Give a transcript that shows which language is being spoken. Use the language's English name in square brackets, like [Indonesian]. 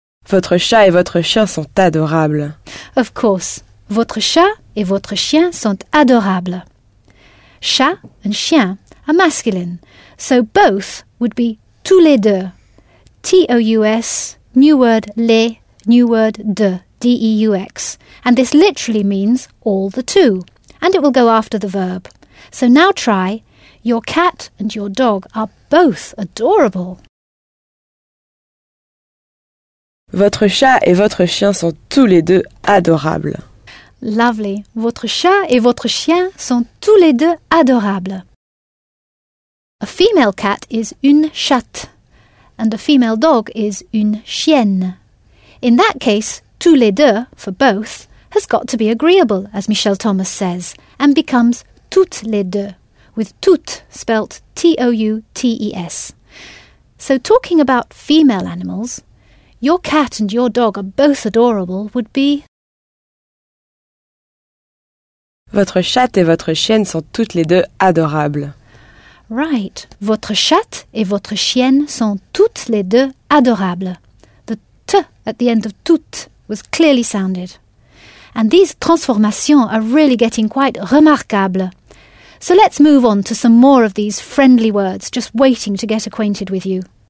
[French] Votre chat et votre chien sont adorables. [English] Of course. [French] Votre chat et votre chien sont adorables. [English] Chat and chien are masculine. So both would be [French] tous les deux. [English] T-O-U-S, new word les, new word de, D-E-U-X. And this literally means all the two. And it will go after the verb. So now try. Your cat and your dog are both adorable. [French] Votre chat et votre chien sont tous les deux adorables. [English] Lovely. [French] Votre chat et votre chien sont tous les deux adorables. [English] A female cat is [French] une chatte. [English] And a female dog is [French] une chienne. [English] In that case, [French] tous les deux, [English] for both, has got to be agreeable, as Michel Thomas says, and becomes [French] toutes les deux, [English] with toutes spelt T-O-U-T-E-S. So talking about female animals, your cat and your dog are both adorable would be [French] votre chatte et votre chienne sont toutes les deux adorables. [English] Right. [French] Votre chatte et votre chienne sont toutes les deux adorables. [English] The T at the end of toutes was clearly sounded. And these transformations are really getting quite remarquable. So let's move on to some more of these friendly words just waiting to get acquainted with you.